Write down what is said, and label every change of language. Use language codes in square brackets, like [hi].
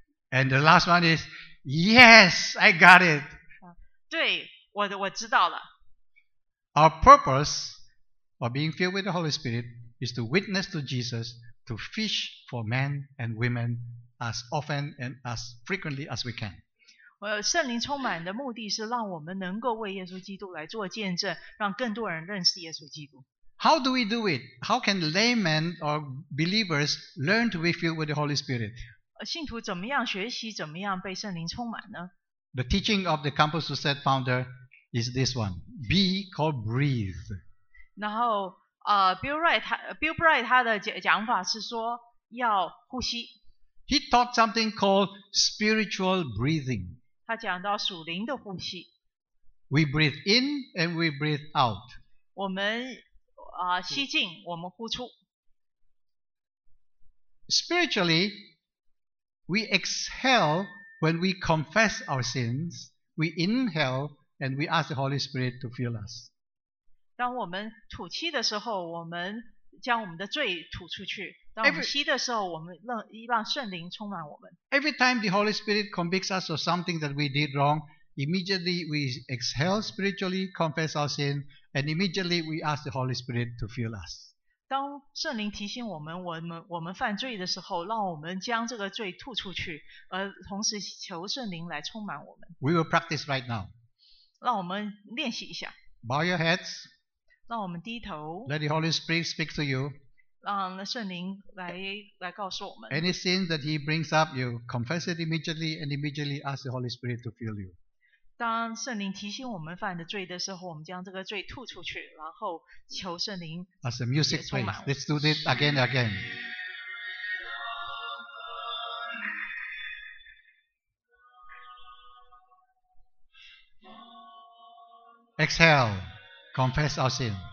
[en] And the last one is, yes, I got it. [zh] 对，我知道了。 [en] Our purpose of being filled with the Holy Spirit is to witness to Jesus, to fish for men and women as often and as frequently as we can. [zh] 圣灵充满的目的是让我们能够为耶稣基督来做见证，让更多人认识耶稣基督。 [en] How do we do it? How can laymen or believers learn to be filled with the Holy Spirit? [zh] 信徒怎么样学习怎么样被圣灵充满呢？ [en] The teaching of the Campus Crusade founder is this one. Be called breathe. [zh] 然后Bill Bright 他的讲法是说要呼吸。 [en] He taught something called spiritual breathing. [zh] 他讲到属灵的呼吸。 [en] We breathe in and we breathe out. [zh] 我们吸进，我们呼出。 [en] Spiritually, we exhale when we confess our sins, we inhale and we ask the Holy Spirit to fill us. [zh] 当我们吐气的时候，我们将我们的罪吐出去；当我们吸的时候，我们让圣灵充满我们。 [en] Every time the Holy Spirit convicts us of something that we did wrong, immediately we exhale spiritually, confess our sin.And immediately we ask the Holy Spirit to fill us. [zh] 当圣灵提醒我们我们犯罪的时候，让我们将这个罪吐出去，而同时求圣灵来充满我们。 [en] We will practice right now. [zh] 让我们练习一下。 [en] Bow your heads. [zh] 让我们低头。 [en] Let the Holy Spirit speak to you. [zh] 让圣灵来告诉我们。 [en] Any sin that he brings up, you confess it immediately and immediately ask the Holy Spirit to fill you. [zh] 当圣灵提醒我们犯的罪的时候，我们将这个罪吐出去，然后求圣灵也充满。 [en] As the music plays, let's do this again and again. Exhale, confess our sin.